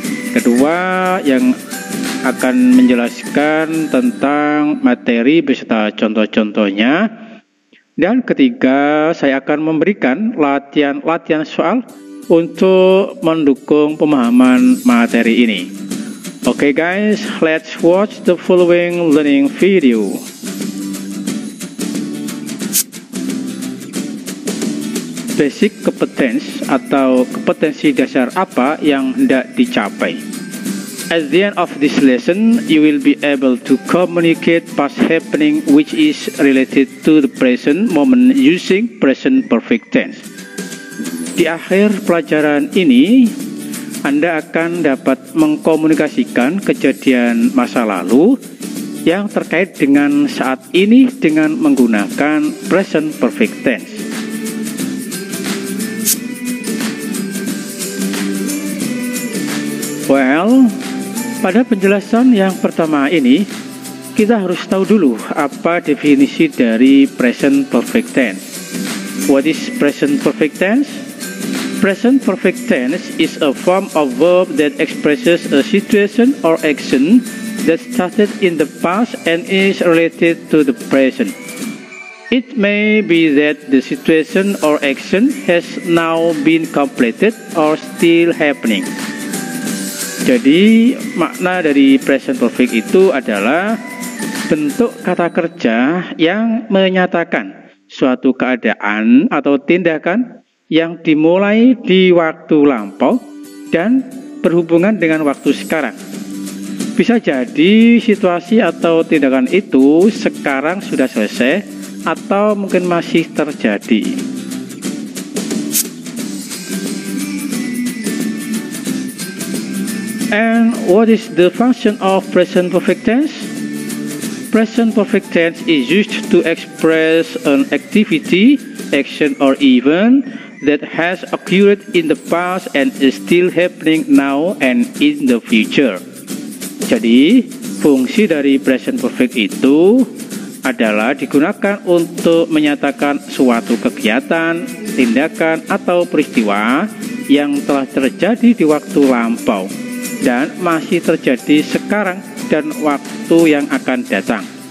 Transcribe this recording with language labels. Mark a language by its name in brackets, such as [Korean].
[Indonesian] Kedua, yang akan menjelaskan tentang materi beserta contoh-contohnya. Dan ketiga, saya akan memberikan latihan-latihan soal untuk mendukung pemahaman materi ini. [English] Oke guys, let's watch the following learning video. Basic competence [Indonesian] atau kompetensi dasar apa yang hendak dicapai? [English] At the end of this lesson, you will be able to communicate past happening which is related to the present moment using present perfect tense. [Indonesian] Di akhir pelajaran ini, Anda akan dapat mengkomunikasikan kejadian masa lalu yang terkait dengan saat ini dengan menggunakan present perfect tense. Well, pada penjelasan yang pertama ini, kita harus tahu dulu apa definisi dari present perfect tense. [English] What is present perfect tense? Present perfect tense is a form of verb that expresses a situation or action that started in the past and is related to the present. It may be that the situation or action has now been completed or still happening. [Indonesian] Jadi, makna dari present perfect itu adalah bentuk kata kerja yang menyatakan suatu keadaan atau tindakan yang dimulai di waktu lampau dan berhubungan dengan waktu sekarang. Bisa jadi situasi atau tindakan itu sekarang sudah selesai atau mungkin masih terjadi. [English] And what is the function of present perfect tense? Present perfect tense is used to express an activity, action or event that has occurred in the past and is still happening now and in the future. [Indonesian] Jadi, fungsi dari present perfect itu adalah digunakan untuk menyatakan suatu kegiatan, tindakan atau peristiwa yang telah terjadi di waktu lampau dan masih terjadi sekarang dan waktu yang akan datang.